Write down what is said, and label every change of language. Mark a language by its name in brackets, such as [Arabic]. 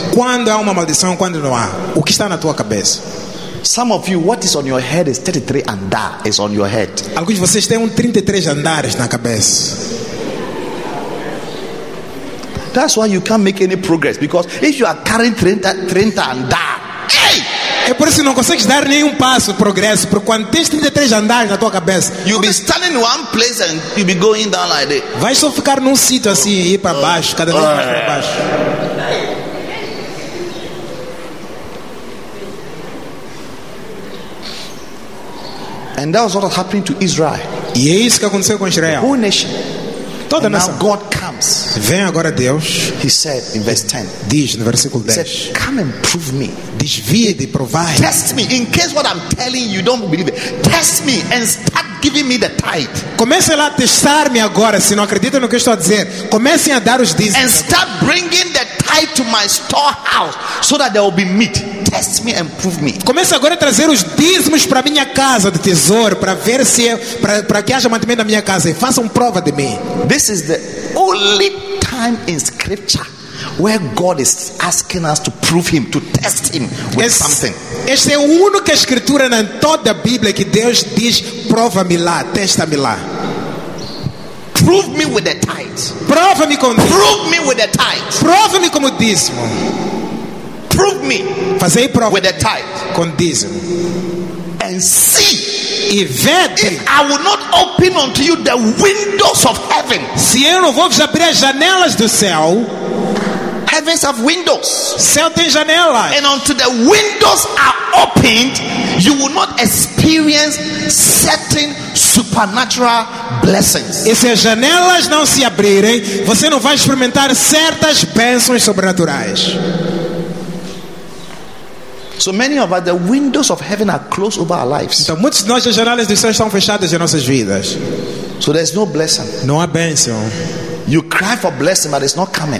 [Portuguese] Quando há uma maldição, quando não há. O que está na tua cabeça? [English] Some of you, what is on your head is 33 andar is on your head. [Portuguese] Alguns de vocês têm 33 andares na cabeça. [English] That's why you can't make any progress, because if you are carrying 30 andar, hey! [Portuguese] É por isso que não consegues dar nenhum passo de progresso, porque quando tens 33 andares na tua cabeça, [English] you'll be standing in one place and you'll be going down like this. [Portuguese] Vai só ficar num sítio assim e ir para baixo, cada vez mais para baixo. [English] And that was what was happening to Israel. [Portuguese] E é isso que aconteceu com Israel. [English] The whole nation. [Portuguese] Toda [English] and [Portuguese] nação. [English] Now God comes. [Portuguese] Vem agora Deus. [English] He said in verse 10. [Portuguese] Diz no versículo 10. [English] He said, "Come and prove me." [Portuguese] Diz, vie de provar. [English] Test me in case what I'm telling you don't believe it. Test me and start giving me the tithe. [Portuguese] Comece lá a testar-me agora, se não acredita no que estou a dizer. Comecem a dar os dízimos. [English] And start bringing the tithe to my storehouse so that there will be meat. Test me and prove me. [Portuguese] Comece agora a trazer os dízimos para minha casa de tesouro, para ver se para que haja mantimento na minha casa, e façam prova de mim. [English] This is the only time in scripture where God is asking us to prove him, to test him with something. [Portuguese] Esta é a única escritura na toda a Bíblia que Deus diz, prova-me lá, testa-me lá. [English] Prove me with the tithe. [Portuguese] Prova-me com [English] dízimo. Prove me with the tithe. [Portuguese] Prova-me com o dízimo. [English] Prove me. [Portuguese] Fazei prova [English] with the tithe. [Portuguese] Com dízimo. [English] And see. [Portuguese] E vede. [English] I will not open unto you the windows of heaven. [Portuguese] Se eu não vou abrir as janelas do céu. [English] heavens have windows. [Portuguese] Céu tem janela. [English] And until the windows are opened, you will not experience certain supernatural blessings. [Portuguese] E se as janelas não se abrirem, você não vai experimentar certas bênçãos sobrenaturais. [English] So many of us, the windows of heaven are closed over our lives. [Portuguese] Então muitos de nós, as janelas do céu estão fechadas em nossas vidas. [English] So there's no blessing. [Portuguese] Não há bênção. [English] You cry for blessing, but it's not coming.